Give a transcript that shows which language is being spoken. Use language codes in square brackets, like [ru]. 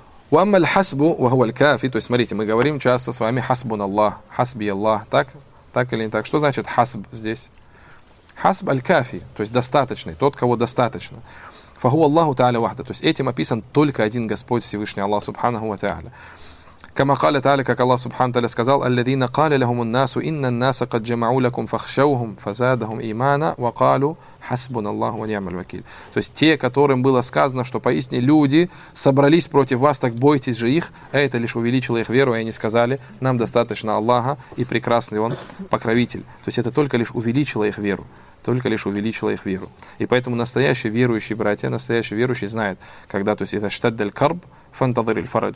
[ar] Ваммал хасбу вахуаль кафи. [ru] То есть, смотрите, мы говорим часто с вами хасбун Аллах, хасби Аллах. Так? Так или не так? Что значит хасб здесь? Хасб аль кафи. То есть, достаточный. Тот, кого достаточно. [ar] Фаху Аллаху тааля вахда. [ru] То есть, этим описан только один Господь Всевышний Аллах, субханаху ва тааля. [ar] كما قال تعالى كما الله سبحانه وتعالى [ru] сказал [ar] الذين قال لهم الناس ان الناس قد جمعوا لكم فخشوهم فزادهم ايمانا وقالوا حسبنا الله ونعم الوكيل. [ru] То есть те, которым было сказано, что поистине люди собрались против вас, так бойтесь же их, а это лишь увеличило их веру, и они сказали: нам достаточно Аллаха, и прекрасный он покровитель. То есть это только лишь увеличило их веру. Только лишь увеличило их веру. И поэтому настоящий верующий, братья, настоящий верующий знает, когда, то есть это [ar] штаддаль карб, фантадриль фарадж.